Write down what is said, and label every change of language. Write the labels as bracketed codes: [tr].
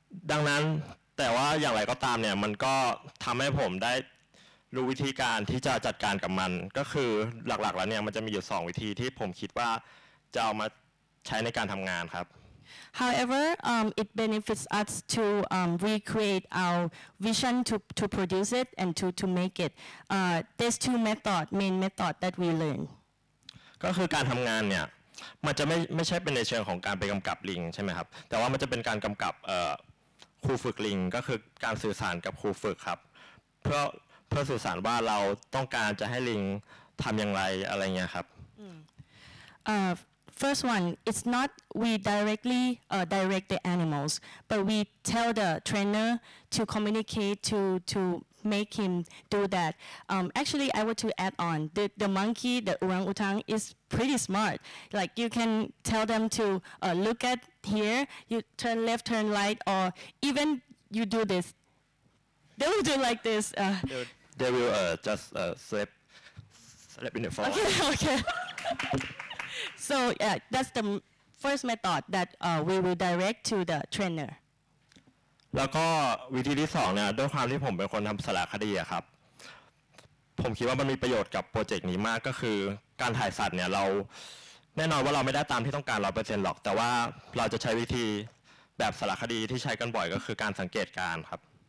[th] ดังนั้นแต่ว่าอย่างไรก็ตามเนี่ยมันก็ทำให้ผมได้รู้วิธีการที่จะจัดการกับมันก็คือหลักๆแล้วเนี่ยมันจะมีอยู่สองวิธีที่ผมคิดว่าจะเอามาใช้ในการทำงานครับ [en] However, it benefits us to recreate our vision to produce it and to make it. There's two methods, main method that we learn. [th] ก็คือการทำงานเนี่ยมันจะไม่ใช่เป็นในเชิงของการไปกำกับลิงใช่ไหมครับแต่ว่ามันจะเป็นการกำกับครูฝึกลิงก็คือการสื่อสารกับครูฝึกครับเพื่อสื่อสารว่าเราต้องการจะให้ลิงทำอย่างไรอะไรเงี้ยครับ [en] First one, it's not we directly direct the animals, but we tell the trainer to communicate to make him do that. Actually, I want to add on, the monkey, the orangutan, is pretty smart. Like, you can tell them to look at here, you turn left, turn right, or even you do this. They will do like this. They will just slip in the floor. Okay. So yeah, that's the first method that we will direct to the trainer. [th] แล้วก็วิธีที่สองเนี่ยด้วยความที่ผมเป็นคนทำสารคดีครับผมคิดว่ามันมีประโยชน์กับโปรเจกต์นี้มากก็คือการถ่ายสัตว์เนี่ยเราแน่นอนว่าเราไม่ได้ตามที่ต้องการ 100% หรอกแต่ว่าเราจะใช้วิธีแบบสารคดีที่ใช้กันบ่อยก็คือการสังเกตการครับ